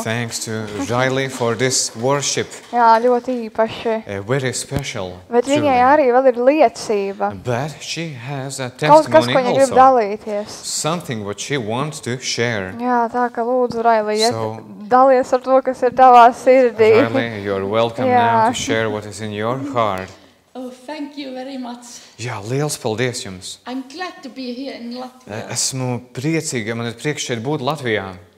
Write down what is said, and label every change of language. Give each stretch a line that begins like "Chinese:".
English: Thanks to Jaili for this worship.
Latvian: Jā, ļoti īpaši.
English: Very special.
Latvian: Bet viņai arī vēl ir liecība.
English: But she has a testimony
Latvian: kaut kas, ko viņa grib dalīties.
English: Something what she wants to share.
Latvian: Jā, tā ka lūdzu, Raili, dalies ar to, kas ir tavā sirdī.
English: Raili, you're welcome now to share what is in your heart. Oh, thank you very much.
Latvian: Jā, liels paldies jums.
English: I'm glad to be here in Latvia.
Latvian: Esmu priecīga, man ir prieks šeit būt Latvijā.